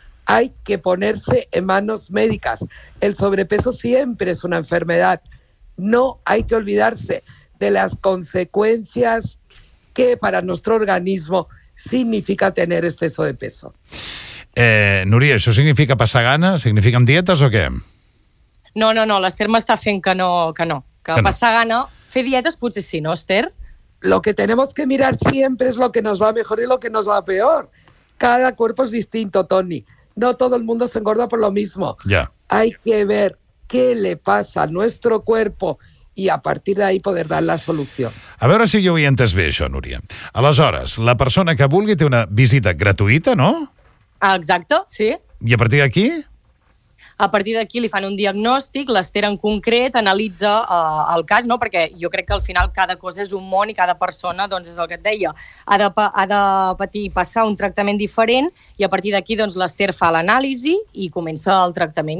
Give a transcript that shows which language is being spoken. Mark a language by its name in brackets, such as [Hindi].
[Spanish] Hay que ponerse en manos médicas. El sobrepeso siempre es una enfermedad. No hay que olvidarse de las consecuencias que para nuestro organismo significa tener exceso de peso. Núria, ¿eso significa [Catalan] passar gana? [Spanish] ¿Significan [Catalan] dietes o què? No, l'Ester m'està fent que no. Que passar gana, fer dietes potser sí, no, Ester? [Spanish] Lo que tenemos que mirar siempre es lo que nos va mejor y lo que nos va peor. Cada cuerpo es distinto, Toni. No todo el mundo se engorda por lo mismo. Ya. Hay que ver qué le pasa a nuestro cuerpo y a partir de ahí poder dar la solución. [Catalan] A veure si jo ho he entès bé, això, Núria. Aleshores, la persona que vulgui té una visita gratuïta, no? Exacte, sí. I a partir d'aquí? A partir d'aquí li fan un diagnòstic, l'Ester en concret analitza el cas, no? Perquè jo crec que al final cada cosa és un món i cada persona, doncs, és el que et deia, ha de patir i passar un tractament diferent, i a partir d'aquí doncs, l'Ester fa l'anàlisi i comença el tractament.